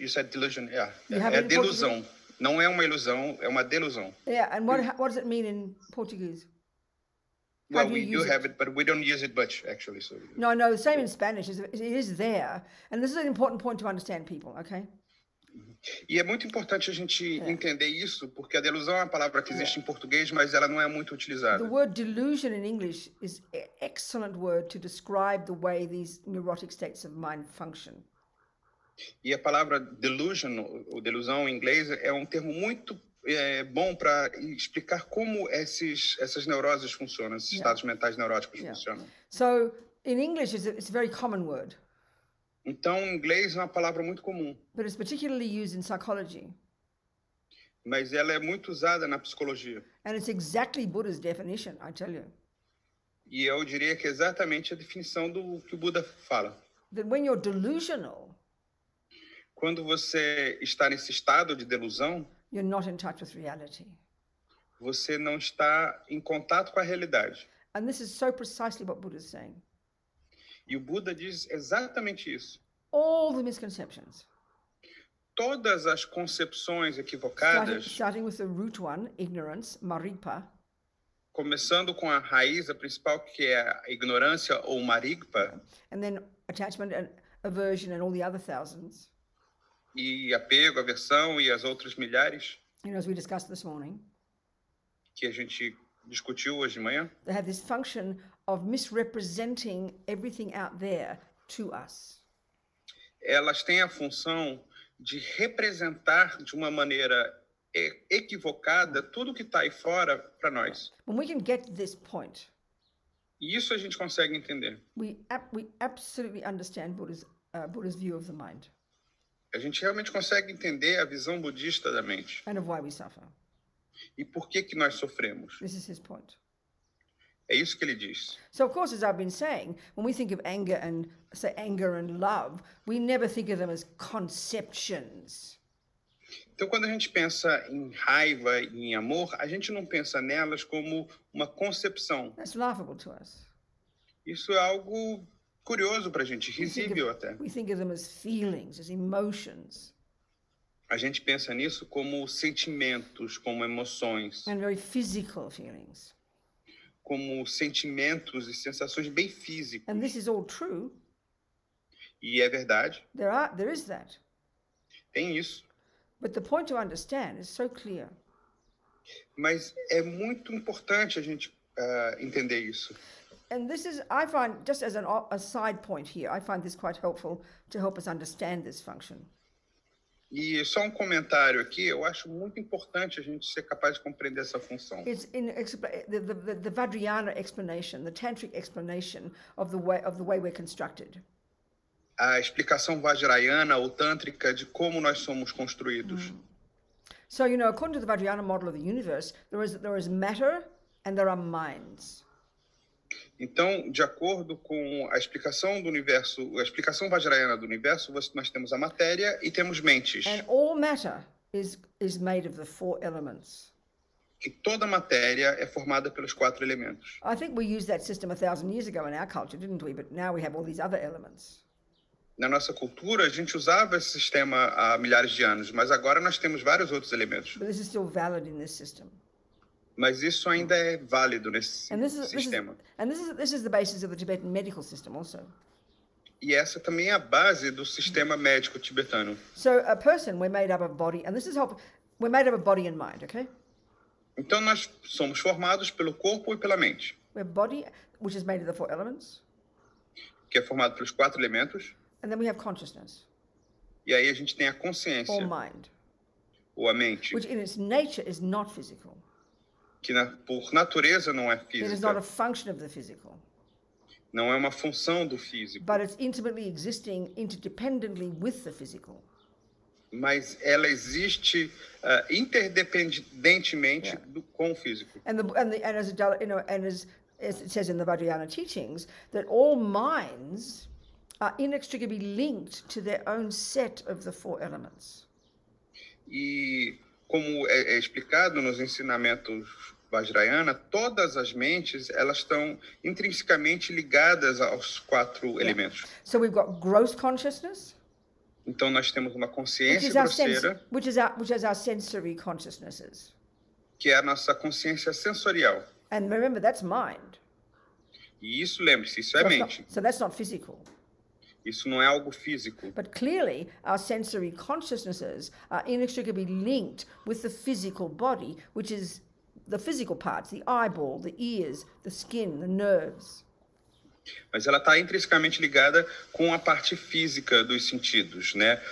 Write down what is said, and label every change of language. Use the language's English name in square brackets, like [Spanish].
[English] You said delusion, yeah. You have delusão. Portuguese? [Portuguese] Não é uma ilusão, é uma delusão. [English] Yeah, and what does it mean in Portuguese? Well, we do have it, but we don't use it much, actually. So. No, the same in Spanish. It is there. And this is an important point to understand, people, okay? [Portuguese] E é muito importante a gente entender isso, porque a delusão é uma palavra que existe em português, mas ela não é muito utilizada. [English] The word delusion in English is an excellent word to describe the way these neurotic states of mind function. [Portuguese] E a palavra delusion, ou delusão em inglês, é um termo muito bom para explicar como essas neuroses funcionam, esses estados mentais neuróticos funcionam. [English] So, in English, it's a very common word. [Portuguese] Então, em inglês, é uma palavra muito comum. [English] But it's particularly used in psychology. [Portuguese] Mas ela é muito usada na psicologia. [English] And it's exactly Buddha's definition, I tell you. [Portuguese] E eu diria que é exatamente a definição do que o Buda fala. [English] That when you're delusional, [Portuguese] quando você está nesse estado de delusão, [English] you're not in touch with reality. [Portuguese] Você não está em contato com a realidade. [English] And this is so precisely what Buddha is saying. [Portuguese] E o Buda diz exatamente isso. [English] All the misconceptions. [Portuguese] Todas as concepções equivocadas. [English] Starting with the root one, ignorance, maripa. [Portuguese] Começando com a raiz, a principal, que é a ignorância ou maripa. [English] And then attachment and aversion and all the other thousands. [Portuguese] E apego, aversão e as outras milhares. [English] You know, as we discussed this morning, [Portuguese] que a gente discutiu hoje de manhã. [English] They have this function of misrepresenting everything out there to us. [Portuguese] Elas têm a função de representar de uma maneira equivocada tudo que está aí fora para nós. [English] When we can get this point, [Portuguese] isso a gente consegue entender. [English] We absolutely understand Buddha's view of the mind. [Portuguese] A gente realmente consegue entender a visão budista da mente. [English] And of why we suffer. [Portuguese] E por que que nós sofremos? [English] This is his point. [Portuguese] É isso que ele diz. [English] So of course, as I've been saying, when we think of anger and say anger and love, we never think of them as conceptions. [Portuguese] Então, quando a gente pensa em raiva e em amor, a gente não pensa nelas como uma concepção. [English] That's laughable to us. [Portuguese] Isso é algo curioso para a gente, risível até. [English] We think of them as feelings, as emotions. [Portuguese] A gente pensa nisso como sentimentos, como emoções. [English] And very physical feelings. [Portuguese] Como sentimentos e sensações bem físicas. [English] And this is all true. [Portuguese] E é verdade. [English] There is that. [Portuguese] Tem isso. [English] But the point to understand is so clear. [Portuguese] Mas é muito importante a gente entender isso. [English] And this is, I find, just as a side point here, I find this quite helpful to help us understand this function. [Portuguese] E só um comentário aqui, eu acho muito importante a gente ser capaz de compreender essa função. [English] It's in the Vajrayana explanation, the tantric explanation of the way we're constructed. [Portuguese] A explicação Vajrayana ou tântrica de como nós somos construídos. [English] So, you know, according to the Vajrayana model of the universe, there is matter and there are minds. [Portuguese] Então, de acordo com a explicação do universo, a explicação Vajrayana do universo, nós temos a matéria e temos mentes. [English] And all matter is made of the four elements. [Portuguese] E toda matéria é formada pelos quatro elementos. [English] I think we used that system 1,000 years ago in our culture, didn't we? But now we have all these other elements. [Portuguese] Na nossa cultura, a gente usava esse sistema há milhares de anos, mas agora nós temos vários outros elementos. [English] But this is still valid in this system. [Portuguese] Mas isso ainda é válido nesse sistema. [English] And this is the basis of the Tibetan medical system also. [Portuguese] E essa também é a base do sistema médico tibetano. [English] So a person, we're made up of body, and this is how we're made up of body and mind, okay? [Portuguese] Então nós somos formados pelo corpo e pela mente. [English] We're body, which is made of the four elements. [Portuguese] Que é formado pelos quatro elementos. [English] And then we have consciousness. [Portuguese] E aí a gente tem a consciência. [English] Or mind. [Portuguese] Ou a mente. [English] Which in its nature is not physical. [Portuguese] Que por natureza não é física. [English] It is not a function of the physical. [Portuguese] Não é uma função do físico. [English] But it's intimately existing interdependently with the physical. [Portuguese] Mas ela existe interdependentemente com o físico. [English] And as it says in the Vajrayana teachings, that all minds are inextricably linked to their own set of the four elements. [Portuguese] E como é explicado nos ensinamentos Vajrayana, todas as mentes, elas estão intrinsecamente ligadas aos quatro elementos. [English] So we've got gross consciousness. [Portuguese] Então nós temos uma consciência grosseira. [English] Which is our sensory consciousnesses. [Portuguese] Que é a nossa consciência sensorial. [English] And remember, that's mind. [Portuguese] E isso, lembre-se, isso é mente. [English] So that's not physical. [Portuguese] Isso não é algo físico. [English] But clearly, our sensory consciousnesses are inextricably linked with the physical body, which is the physical parts, the eyeball, the ears, the skin, the nerves. [Portuguese] Mas ela está intrinsecamente ligada com a parte física dos sentidos, né?